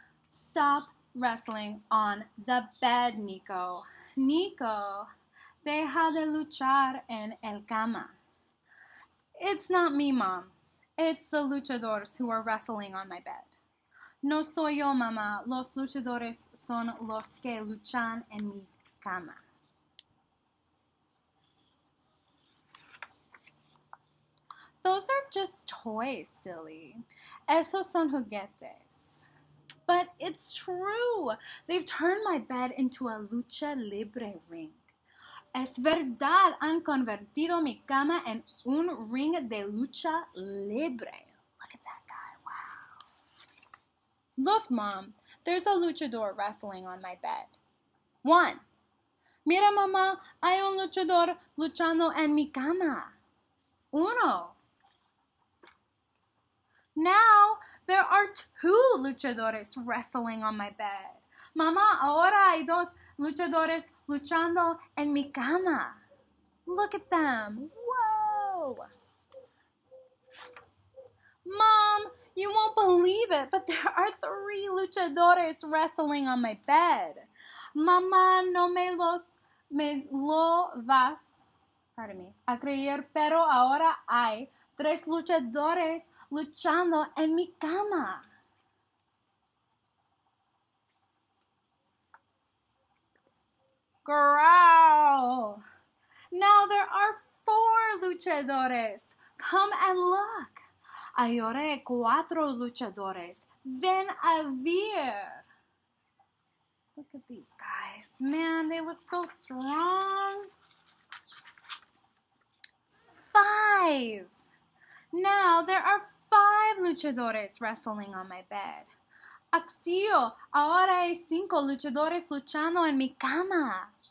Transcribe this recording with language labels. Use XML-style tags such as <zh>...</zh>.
<en>Stop wrestling on the bed, Nico.</en> <es>Nico, deja de luchar en el cama.</es> <en>It's not me, Mom. It's the luchadores who are wrestling on my bed.</en> <es>No soy yo, mamá. Los luchadores son los que luchan en mi cama.</es> <en>Those are just toys, silly.</en> <es>Esos son juguetes.</es> <en>But it's true. They've turned my bed into a lucha libre ring.</en> <es>Es verdad, han convertido mi cama en un ring de lucha libre.</es> <en>Look at that guy, wow. Look, Mom, there's a luchador wrestling on my bed. One.</en> <es>Mira, mamá, hay un luchador luchando en mi cama. Uno.</es> <en>Now, there are two luchadores wrestling on my bed.</en> <es>Mamá, ahora hay dos luchadores luchando en mi cama.</es> <en>Look at them. Whoa! Mom, you won't believe it, but there are three luchadores wrestling on my bed.</en> <es>Mamá, no me lo vas,</es> <en>pardon me,</en> <es>a creer, pero ahora hay tres luchadores luchando en mi cama.</es> <en>Growl. Now there are four luchadores. Come and look.</en> <es>Ahora hay cuatro luchadores. Ven a ver.</es> <en>Look at these guys. Man, they look so strong. Five. Now there are five luchadores wrestling on my bed. Axio.</en> <es>Ahora hay cinco luchadores luchando en mi cama.</es>